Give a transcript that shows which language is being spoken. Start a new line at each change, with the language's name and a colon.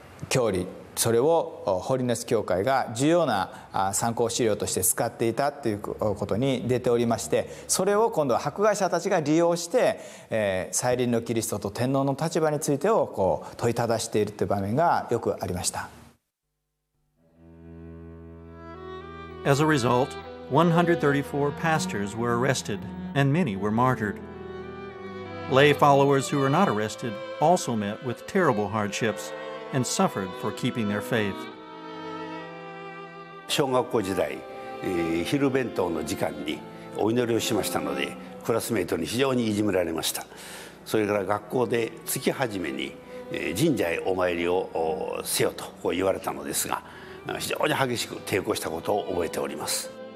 Japanese: 教理、それをホーリネス教会が重要な参考資料として使っていたということに出ておりまして、それを今度は迫害者たちが利用して再臨のキリストと天皇の立場についてをこう問いただしているという場面がよくありました。
English: As a result, 134 pastors were arrested and many were martyred. Lay followers who were not arrested also met with terrible hardshipsand suffered for keeping their faith.
Japanese: 小学校時代、昼弁当の時間にお祈りをしましたので、クラスメイトに非常にいじめられました。それから学校で月初めに、神社へお参りをせよとこう言われたのですが、非常に激しく抵抗したことを覚えております。